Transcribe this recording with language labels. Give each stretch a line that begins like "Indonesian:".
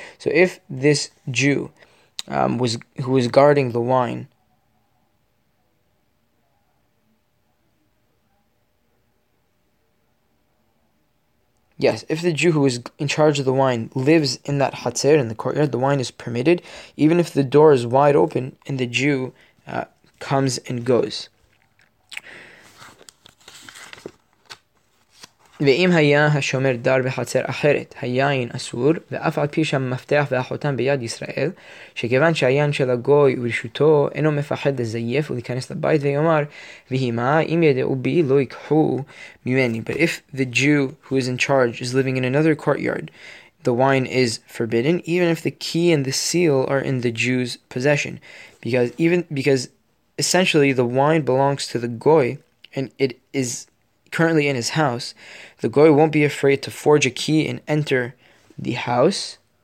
English: So if this Jew who was guarding the wine, yes, if the Jew who is in charge of the wine lives in that hatzer, in the courtyard, the wine is permitted, even if the door is wide open and the Jew comes and goes.
Hebrew: ואם היה השומר דר בחצר אחרת, היין אסור, ואף על פי שהמפתח והחותם ביד ישראל, שכיוון שהיין של הגוי ורשותו אינו מפחד לזייף ולהיכנס לבית ויאמר, והימה, אם ידעו בי, לא יקחו ממני.
English: But if the Jew who is in charge is living in another courtyard, the wine is forbidden, even if the key and the seal are in the Jew's possession. Because essentially the wine belongs to the goy, and it is currently in his house, the goy won't be afraid to forge a key and enter the house.